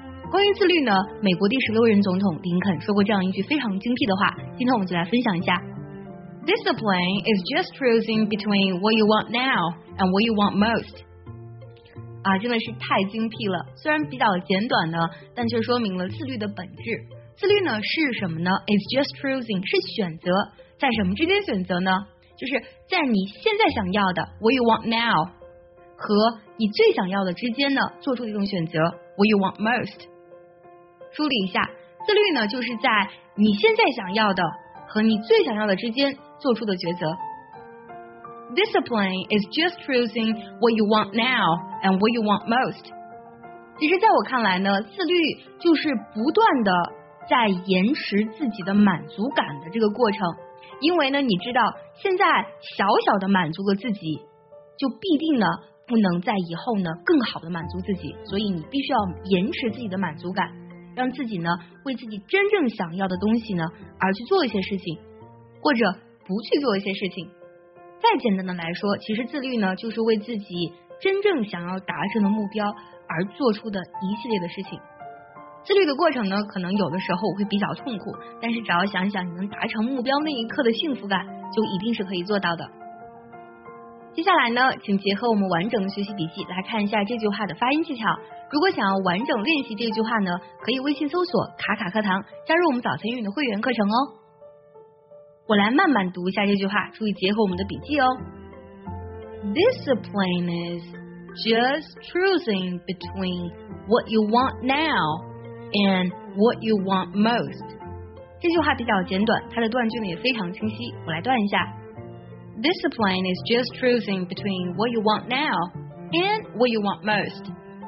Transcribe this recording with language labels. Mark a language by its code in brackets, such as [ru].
[zh] 关于自律呢，美国第16任总统林肯说过这样一句非常精辟的话，今天我们就来分享一下。 [en] Discipline is just choosing between what you want now and what you want most。 [zh] 啊，真的是太精辟了，虽然比较简短的，但却说明了自律的本质。自律呢是什么呢？ [en] It's just choosing， [zh] 是选择，在什么之间选择呢？就是在你现在想要的 [en] what you want now [zh] 和你最想要的之间呢，做出一种选择 [en] what you want most。 [zh] 梳理一下，自律呢就是在你现在想要的和你最想要的之间做出的抉择。 [en] Discipline is just choosing what you want now and what you want most。 [zh] 其实在我看来呢，自律就是不断的在延迟自己的满足感的这个过程，因为呢，你知道现在小小的满足了自己，就必定呢不能在以后呢更好的满足自己，所以你必须要延迟自己的满足感，让自己呢为自己真正想要的东西呢而去做一些事情，或者不去做一些事情。再简单的来说，其实自律呢就是为自己真正想要达成的目标而做出的一系列的事情。自律的过程呢，可能有的时候会比较痛苦，但是只要想想你能达成目标那一刻的幸福感，就一定是可以做到的。接下来呢，请结合我们完整的学习笔记来看一下这句话的发音技巧。如果想要完整练习这句话呢，可以微信搜索卡卡课堂，加入我们早餐英语的会员课程哦。我来慢慢读一下这句话，注意结合我们的笔记哦。 [en] Discipline is just choosing between what you want now. And what you want most. [zh] 这句话比较简短，它的断句呢也非常清晰，我来断一下。 [en] Discipline is just choosing between what you want now and what you want most.